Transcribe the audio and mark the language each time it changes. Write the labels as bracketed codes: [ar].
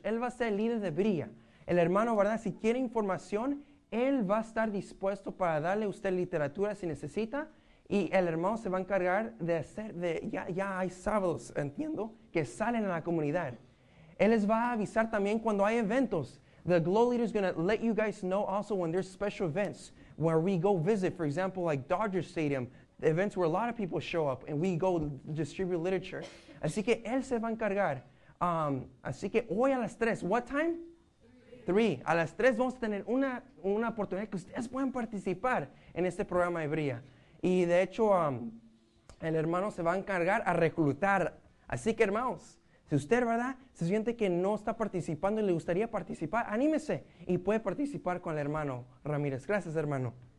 [es] Él va a ser el líder de Brea. El hermano, ¿verdad? Si quiere información, él va a estar dispuesto para darle a usted literatura si necesita. Y el hermano se va a encargar de hacer, ya hay sábados, entiendo, que salen a la comunidad. Él les va a avisar también cuando hay eventos. [en] The glow leader is going to let you guys know also when there's special events, where we go visit, for example, like Dodger Stadium, the events where a lot of people show up and we go distribute literature. [es] Así que él se va a encargar Así que hoy a las 3, [en] what time? [es] 3. A las 3 vamos a tener una oportunidad que ustedes puedan participar en este programa de Brilla. Y de hecho, el hermano se va a encargar a reclutar. Así que hermanos, si usted, ¿verdad?, se siente que no está participando y le gustaría participar, anímese y puede participar con el hermano Ramírez. Gracias, hermano.